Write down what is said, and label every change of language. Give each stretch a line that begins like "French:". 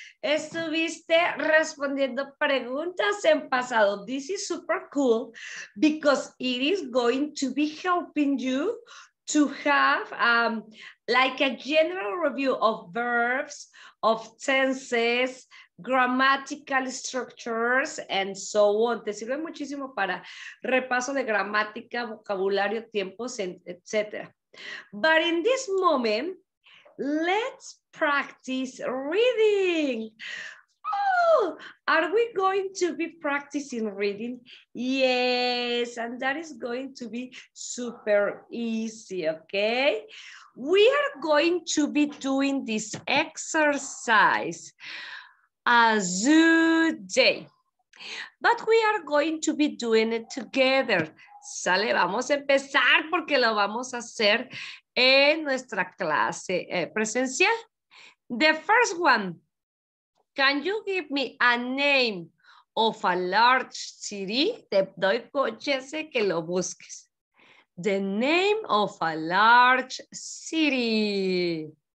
Spanish: Estuviste respondiendo preguntas en pasado.
English: This is super cool because it is going to be helping you to have like a general review of verbs, of tenses, grammatical structures, and so on.
Spanish: Te sirve muchísimo para repaso de gramática, vocabulario, tiempos, etc.
English: But in this moment, let's practice reading. Oh, are we going to be practicing reading? Yes, and that is going to be super easy, okay? We are going to be doing this exercise a zoo day, but we are going to be doing it together.
Spanish: Sale, vamos a empezar porque lo vamos a hacer en nuestra clase presencial.
English: The first one. Can you give me a name of a large city?
Spanish: Te doy coche que lo busques.
English: The name of a large city.